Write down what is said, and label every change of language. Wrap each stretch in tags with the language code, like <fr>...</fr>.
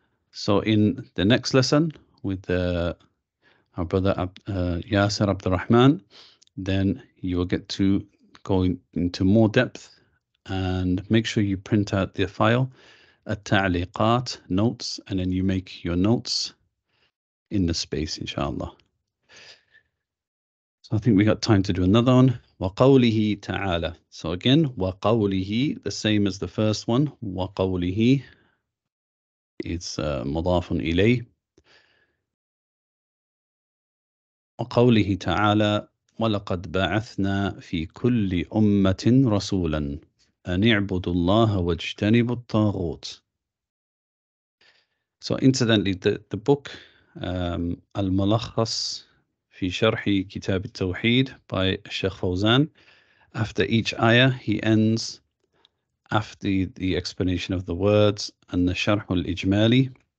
<en>So in the next lesson, with our brother Yasir Abdurrahman, then you will get to go into more depth, and make sure you print out the file, التعليقات, notes, and then you make your notes in the space, inshallah. So I think we got time to do another one.</en> <ar>وَقَوْلِهِ تَعَالَى.</ar> <en>So again, وَقَوْلِهِ, the same as the first one, وَقَوْلِهِ, it's</en> <ar>مُضَافٌ إِلَيْهِ. وقوله تعالى ولقد بعثنا في كل أمة رسولا أن اعبدوا الله واجتنبوا الطاغوت.</ar> <en>So incidentally, the book Al-Mulakhas في شرح كتاب التوحيد by Sheikh Fawzan, after each ayah he ends after the explanation of the words and the</en> <ar>شرح الإجمالي.</ar>